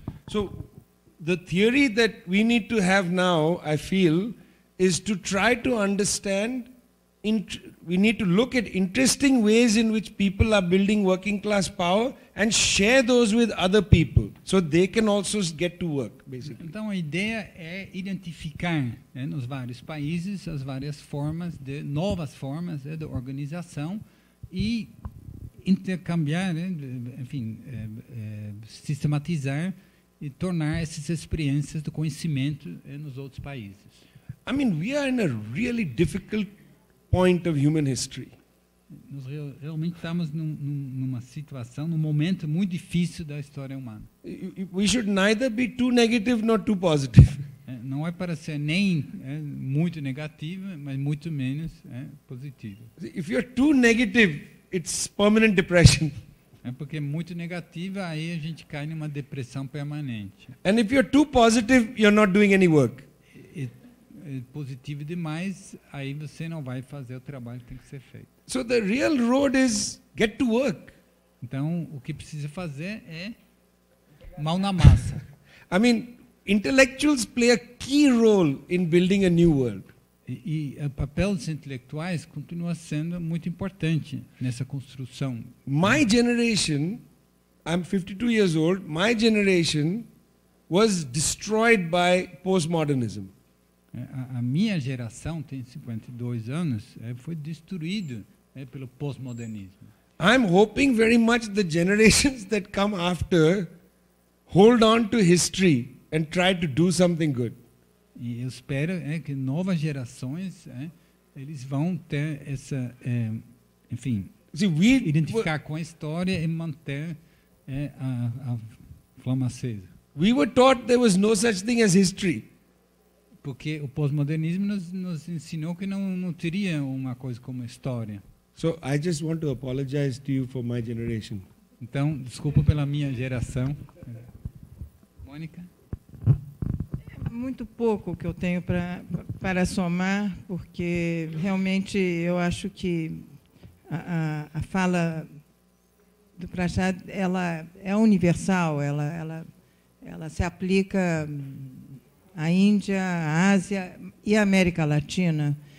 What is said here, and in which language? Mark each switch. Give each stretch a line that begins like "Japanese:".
English: So, the theory that we need to have now, I feel, is to try to understand, we need to look at interesting ways in which people are building working class power and share those with other people, so they can also get to work, basically.
Portuguese: Então, a ideia é identificar nos vários países as várias formas, de novas formas de organização e intercambiar, enfim, sistematizar e tornar essas experiências de conhecimento nos outros países.
English: I mean, we are in a really difficult point of human history.
Portuguese: Nós realmente estamos numa situação, num momento muito difícil da história humana.
English: We should neither be too negative nor too positive.
Portuguese: Não é para ser nem muito negativo, mas muito menos positivo.
English: If you're too negative, it's permanent depression.
Portuguese: Porque muito negativa, aí a gente cai numa depressão permanente.
English: And if you're too positive, you're not doing any work.
Portuguese: Positivo demais, aí você não vai fazer o trabalho que tem que ser feito.
English: So the real road is get to work.
Portuguese: Então, o que precisa fazer é mão na massa.
English: I mean, intellectuals play a key role in building a new world.
Portuguese: E o papel dos intelectuais continua sendo muito importante nessa construção.
English: My generation, I'm 52 years old, my generation was destroyed by postmodernism.
Portuguese: A minha geração tem 52 anos, foi destruído pelo pós-modernismo.
English: I'm hoping very much the generations that come after hold on to history and try to do something good.
Portuguese: E eu espero que novas gerações eles vão ter essa, enfim, identificar com a história e manter a flama acesa.
English: We were taught there was no such thing as history.
Portuguese: Porque o pós-modernismo nos ensinou que não teria uma coisa como história.
English: So I just want to apologize to you for my generation.
Portuguese: Então, desculpa pela minha geração. Mônica? É muito pouco que eu tenho para somar, porque realmente eu acho que a fala do Prachad, ela é universal, ela se aplica a Índia, a Ásia e a América Latina.